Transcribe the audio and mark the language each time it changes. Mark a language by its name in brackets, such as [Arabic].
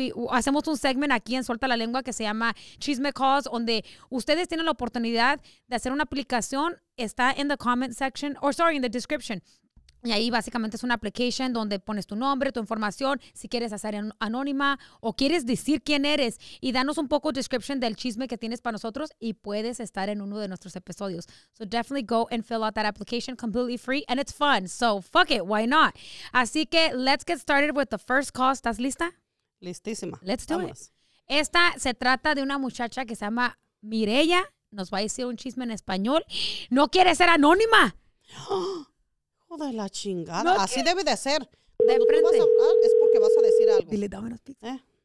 [Spanish] Hacemos un segment aquí en Suelta la Lengua que se llama Chisme Calls, donde ustedes tienen la oportunidad de hacer una aplicación. Está en [English] the comment section, or sorry, in the description. [Spanish] Y ahí básicamente es una application donde pones tu nombre, tu información, si quieres hacer anónima o quieres decir quién eres. Y danos un poco description del chisme que tienes para nosotros y puedes estar en uno de nuestros episodios. [English] So definitely go and fill out that application completely free and it's fun. So fuck it, why not? Así que let's get started with the first call. [Spanish] ¿Estás lista? Listísima. [English] Let's do Vamos. It. [Spanish] Esta se trata de una muchacha que se llama Mireya. Nos va a decir un chisme en español. ¡No quiere ser anónima! De la chingada. No, así debe de ser. De enfrente. Vas a, ah, es porque vas a decir algo. Dile, dame unos pizzas.